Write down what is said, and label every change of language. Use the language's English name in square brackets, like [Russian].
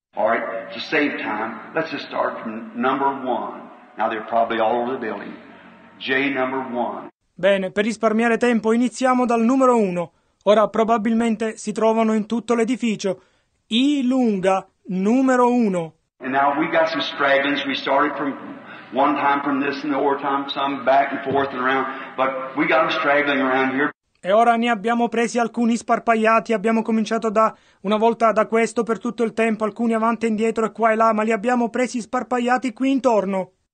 [English] All right, to save time, let's just start from number one. Now they're probably all over the building. J number one. [Italian] Bene, per risparmiare tempo iniziamo dal numero uno. Ora probabilmente si trovano in tutto l'edificio. Ilunga numero uno. [English] And now we got some stragglers. We started from one time from this and the other time some back and forth and around, but we got them straggling around here. [Italian] E ora ne abbiamo presi alcuni sparpagliati, abbiamo cominciato da una volta da questo per tutto il tempo, alcuni avanti e indietro e qua e là, ma li abbiamo presi sparpagliati qui intorno.